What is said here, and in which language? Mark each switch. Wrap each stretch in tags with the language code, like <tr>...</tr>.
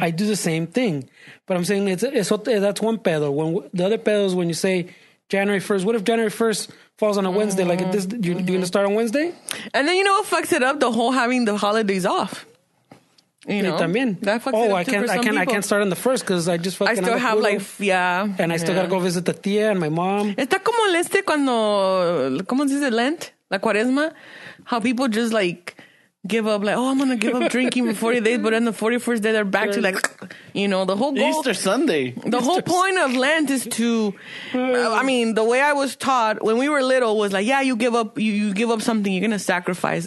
<en>I do the same thing. But I'm saying that's one pedo. The other pedo is when you say January 1st. What if January 1st falls on a Wednesday? Like, you're going to start on Wednesday? And then you know what fucks it up? The whole having the holidays off. You know,</en> <es>también.</es> <en>I can't start on the first because I just fucking I still gotta go visit the tía and my mom.</en> <es>Está como el este cuando, ¿cómo se dice?</es> <en>Lent,</en> <es>la cuaresma,</es> <en>how people just like give up, like, oh, I'm gonna give up drinking for 40 days, but then the 41st day they're back to like, you know, the whole goal, Easter Sunday. Whole point of Lent is to, I mean, the way I was taught when we were little was like, yeah, you give up something, you're gonna sacrifice.</en>